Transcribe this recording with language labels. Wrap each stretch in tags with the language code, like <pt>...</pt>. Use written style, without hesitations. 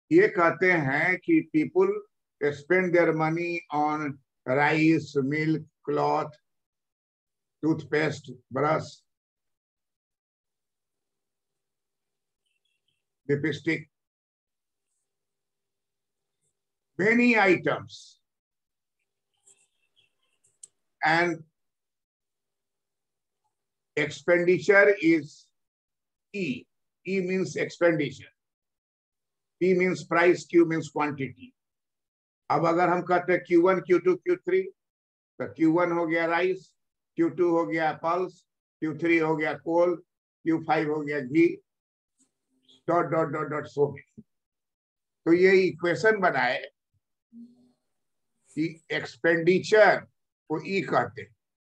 <hi>ये कहते हैं कि</hi> <en>People spend their money on rice, milk, cloth, toothpaste, brush, lipstick, many items and expenditure is E. E means expenditure. P means price, Q means quantity.</en> <hi>अब अगर हम कहते हैं Q1, Q2, Q3, तो Q1 हो गया rice, Q2 हो गया pulse, Q3 हो गया coal, Q5 हो गया घी, .. so on. तो ये equation बनाए कि expenditure को E कहते हैं।</hi>